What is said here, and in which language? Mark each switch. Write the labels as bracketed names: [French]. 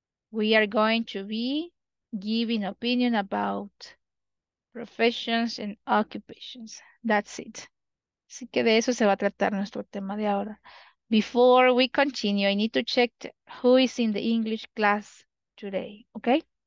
[English] We are going to be giving opinion about professions and occupations. That's it. [Spanish] Así que de eso se va a tratar nuestro tema de ahora. [English] Before we continue, I need to check who is in the English class today, okay?